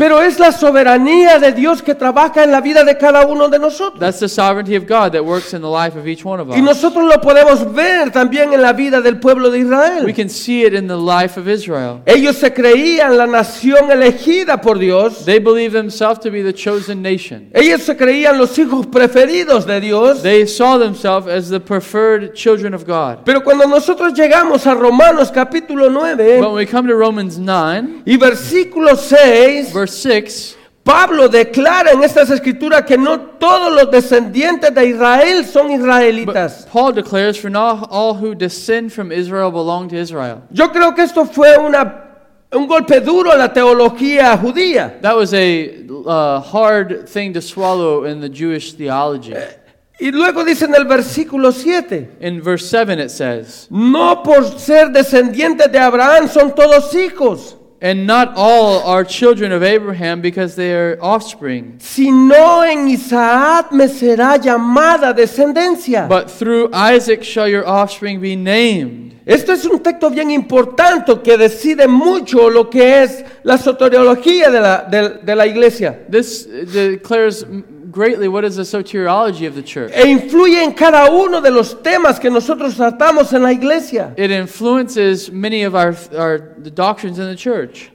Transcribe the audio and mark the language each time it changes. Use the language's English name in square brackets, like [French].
[Spanish] Pero es la soberanía de Dios que trabaja en la vida de cada uno de nosotros. [English] That's the sovereignty of God that works in the life of each one of us. [Spanish] Y nosotros lo podemos ver también en la vida del pueblo de Israel. [English] We can see it in the life of Israel. [Spanish] Ellos se creían la nación elegida por Dios. [English] They believed themselves to be the chosen nation. [Spanish] Se creían los hijos preferidos de Dios. [English] They saw themselves as the preferred children of God. [Spanish] Pero cuando nosotros llegamos a Romanos capítulo 9, [English] when we come to Romans 9, [Spanish] y versículo 6, [English] verse 6, [Spanish] Pablo declara en estas escrituras que no todos los descendientes de Israel son israelitas. [English] But Paul declares, for not all who descend from Israel belong to Israel. [Spanish] Yo creo que esto fue una un golpe duro a la teología judía. [English] That was a hard thing to swallow in the Jewish theology. [Spanish] Y luego dice en el versículo 7. [English] In verse 7 it says, [Spanish] no por ser descendientes de Abraham son todos hijos. [English] And not all are children of Abraham because they are offspring. [Spanish] Sino en Isaac me será llamada descendencia. [English] But through Isaac shall your offspring be named. [Spanish] Esto es un texto bien importante que decide mucho lo que es la soteriología de la iglesia. [English] This declares greatly what is the soteriology of the church. [Spanish] E influye en cada uno de los temas que nosotros tratamos en la iglesia. [English] It influences many of the doctrines in the church.